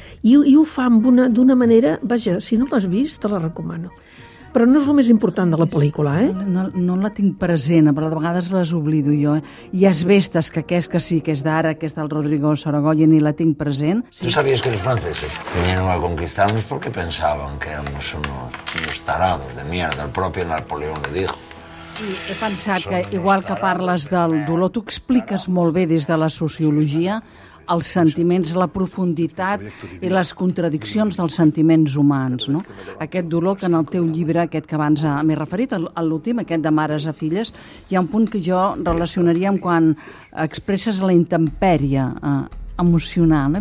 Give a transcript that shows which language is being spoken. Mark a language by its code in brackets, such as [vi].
[ca] I ho fa d'una manera... Vaja, si no l'has vist, te la recomano. Però no és el més important de la pel·lícula, eh? No la tinc present, però de vegades les oblido jo. Hi ha asbestes, que és del Rodrigo Sorogoyen, i la tinc present. [es] Sí. ¿Tú sabías que los franceses vinieron a conquistarnos porque pensaban que éramos unos tarados de mierda? El propio Napoleón le dijo. [ca] He pensat que, igual que parles del dolor, tu expliques molt bé des de la sociologia els sentiments, la profunditat i les contradiccions dels sentiments humans, no? Aquest dolor que en el teu llibre, aquest que abans m'he referit, a l'últim, aquest de Mares a filles, hi ha un punt que jo relacionaria amb quan expresses la intempèrie emocional, no?